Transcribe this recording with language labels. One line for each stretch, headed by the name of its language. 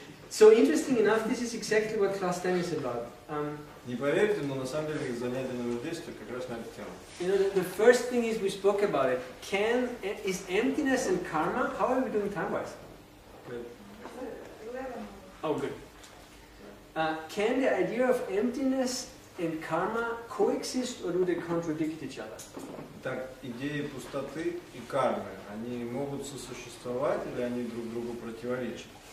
English: So interesting enough, this is exactly what class 10 is about.
Russian: Не поверите, но на самом деле занятие на Мудрости как раз на эту тему.
English: You know, the first thing is we spoke about it. Is emptiness and karma? How are we doing time-wise? Oh, good. Can the idea of emptiness and karma coexist, or do they contradict each other?
Russian: Так, идеи пустоты и кармы, они могут сосуществовать или они друг другу противоречат?